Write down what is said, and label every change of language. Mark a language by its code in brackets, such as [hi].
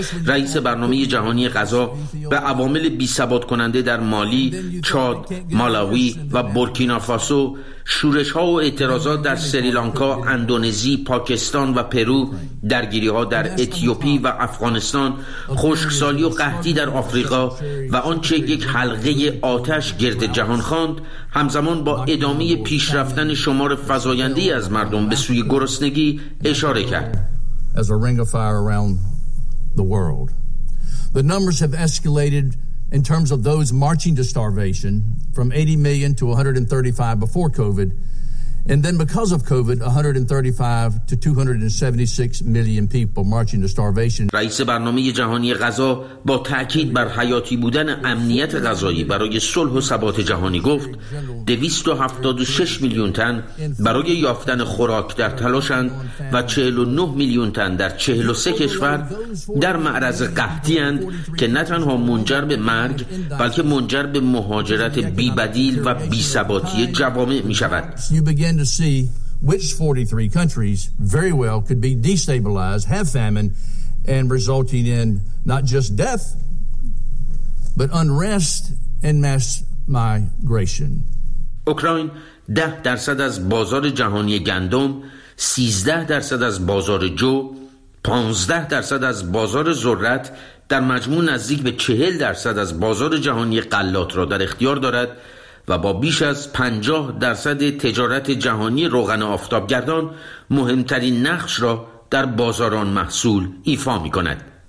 [fa] رئیس برنامه جهانی غذا به عوامل بی‌ثبات کننده در مالی، چاد، مالاوی و بورکینافاسو، شورش‌ها و اعتراضات در سریلانکا، اندونزی، پاکستان و پرو، درگیری‌ها در اتیوپی و افغانستان، خشکسالی و قحطی در آفریقا و آنچه یک حلقه آتش گرد جهان خواند، همزمان با ادامه پیشرفتن شمار فزاینده‌ای از مردم به سوی گرسنگی اشاره کرد. [en] As a ring of fire around the world. The numbers have escalated in terms of those marching to starvation from 80 million to 135 before COVID, and then because of COVID, 135 to 276 million people marching to starvation. [fa] رئیس برنامه جهانی غذا با تأکید بر حیاتی بودن امنیت غذایی برای صلح و ثبات جهانی گفت 276 میلیون تن برای یافتن خوراک در تلاشند و 49 میلیون تن در 43 کشور در معرض قحطی اند که نه تنها منجر به مرگ بلکه منجر به مهاجرت بی بدیل و بی ثباتی جوامع می شود. [en] To see which 43 countries very well could be destabilized, have famine, and resulting in not just death, but unrest and mass migration. [fa] Ukraine, 10% از بازار جهانی گندم، 13% از بازار جو، 15% از بازار ذرت، در مجموع نزدیک به 40% از بازار جهانی غلات را در اختیار دارد و با بیش از 50% تجارت جهانی روغن آفتابگردان مهمترین نقش را در بازاران محصول ایفا می کند.